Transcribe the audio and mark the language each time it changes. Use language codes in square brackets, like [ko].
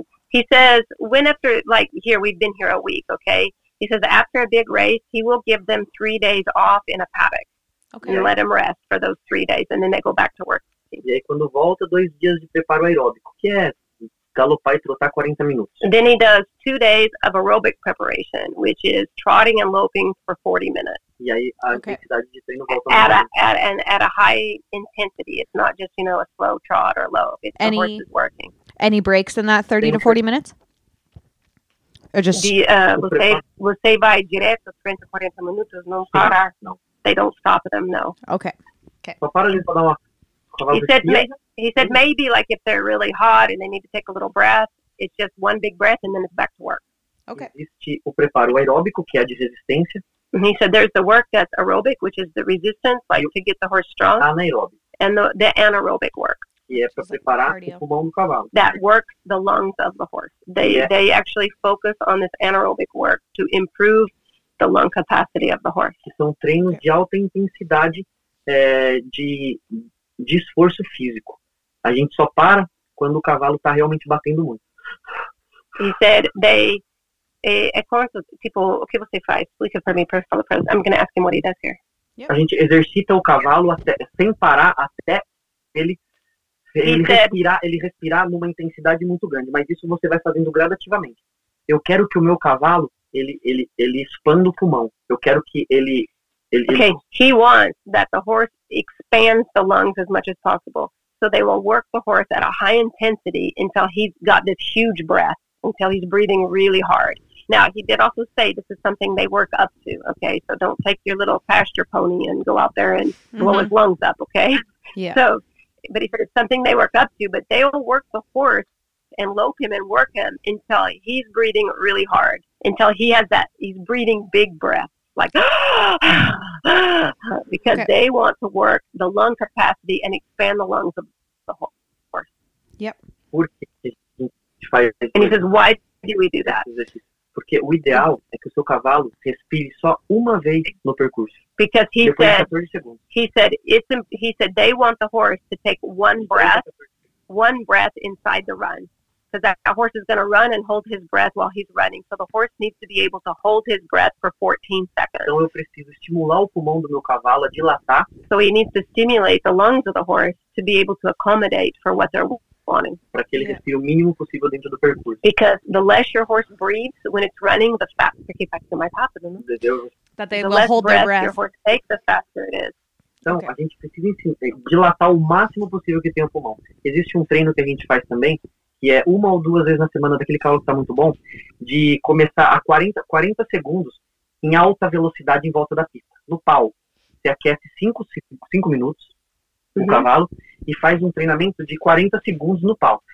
[en] He says, when after, like here, we've been here a week, okay? He says after a big race, he will give them 3 days off in a paddock. Okay. And let them rest for those 3 days, and then they go back to work. [pt] E aí, quando volta, 2 dias de preparo aeróbico, que é galopar e trotar 40 minutos. [en] And then he does 2 days of aerobic preparation, which is trotting and loping for 40 minutes. [pt] E aí, a intensidade de treino volta [en] at a, at, and at a high intensity. It's not just, you know, a slow trot or lope. It's any, the horse is working. Any breaks in that 30 to 40 minutes? Or just... [pt] The, você vai direto 30 a 40 minutos, não para... [en] No. They don't stop them, no. Okay. Okay. He said maybe like if they're really hot and they need to take a little breath, it's just one big breath and then it's back to work. Okay. He said there's the work that's aerobic, which is the resistance, like to get the horse strong. Anaerobic. And the anaerobic work. That works the lungs of the horse. They actually focus on this anaerobic work to improve the lung capacity of the horse. [pt] Que são treinos de alta intensidade de esforço físico. A gente só para quando o cavalo está realmente batendo muito. [en] He said they a course [pt] tipo o que você faz? Explica para mim, por favor. [en] I'm going to ask him what he does here. [pt] A gente exercita o cavalo até, sem parar até ele respirar numa intensidade muito grande. Mas isso você vai fazendo gradativamente. Eu quero que o meu cavalo Ele expande o pulmão. Eu quero que ele [en] okay, he wants that the horse expands the lungs as much as possible. So they will work the horse at a high intensity until he's got this huge breath, until he's breathing really hard. Now, he did also say this is something they work up to, okay? So don't take your little pasture pony and go out there and blow his lungs up, okay? Yeah. So, but he said it's something they work up to, but they will work the horse and lope him and work him until he's breathing really hard. Until he has that, he's breathing big breath, like, because okay. They want to work the lung capacity and expand the lungs of the horse. Yep. And he says, why do we do that? [pt] Porque o ideal é que o seu cavalo respire só uma vez no percurso. [en] Because he said they want the horse to take one breath inside the run. Because that horse is going to run and hold his breath while he's running. So the horse needs to be able to hold his breath for 14 seconds. [pt] Então eu preciso estimular o pulmão do meu cavalo a dilatar. [en] So he needs to stimulate the lungs of the horse to be able to accommodate for what they're wanting. [pt] Para que ele respire o mínimo possível dentro do percurso. [en] Because the less your horse breathes when it's running, the faster it gets to my top of them. That they the will hold their breath. The less breath your horse takes, the faster it is. [pt] Então, okay. A gente precisa dilatar o máximo possível que tem o pulmão. Existe treino que a gente faz também. Que é uma ou duas vezes na semana daquele cavalo que está muito bom, de começar a 40 segundos em alta velocidade em volta da pista, no pau. Você aquece 5 minutos o cavalo e faz treinamento de 40 segundos no pau.